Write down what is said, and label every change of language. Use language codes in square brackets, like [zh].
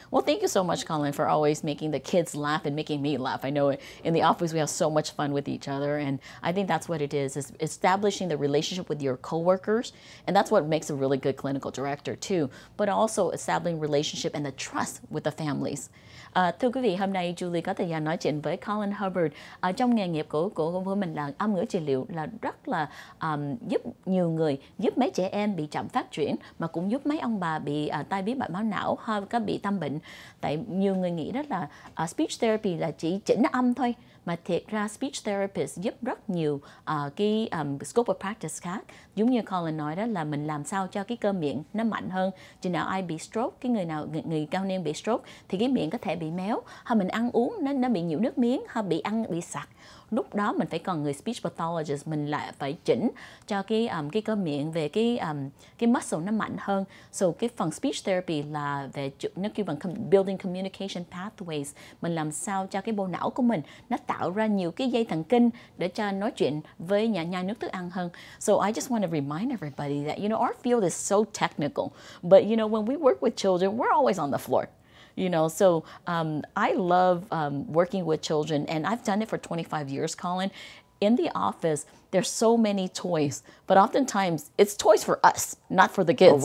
[en] Well, thank you so much, Collin, for always making the kids laugh and making me laugh. I know in the office we have so much fun with each other, and I think that's what it is establishing the relationship with your coworkers, and that's what makes a really good clinical director too, but also establishing relationship and the trust with the families. [vi] Thưa quý vị, hôm nay Julie có thời gian nói chuyện với Collin Hubbard. Trong nghề nghiệp của mình là âm ngữ trị liệu là rất là giúp nhiều người, giúp mấy trẻ em bị chậm phát triển mà cũng giúp mấy ông bà bị tai biến mạch máu não hay có bị tâm bệnh. Tại nhiều người nghĩ đó là speech therapy là chỉ chỉnh âm thôi, mà thiệt ra speech therapist giúp rất nhiều cái [en] scope of practice [vi] khác. Giống như Collin nói đó là mình làm sao cho cái cơ miệng nó mạnh hơn. Chừng nào ai bị stroke, cái người nào người cao niên bị stroke thì cái miệng có thể bị méo, hay mình ăn uống nó bị nhiều nước miếng, hay bị sặc. Lúc đó mình phải còn người speech pathologist, mình lại phải chỉnh cho cái cơ miệng về cái muscle nó mạnh hơn. So cái phần speech therapy là về nó kêu bằng [en] building communication pathways, [vi] mình làm sao cho cái bộ não của mình nó tạo ra nhiều cái dây thần kinh để cho nói chuyện với nhai nước thức ăn hơn. [en] So I just want to remind everybody that, you know, our field is so technical, but you know, when we work with children, we're always on the floor. You know, so I love working with children, and I've done it for 25 years, Collin. In the office, there's so many toys, but oftentimes it's toys for us, not for the kids.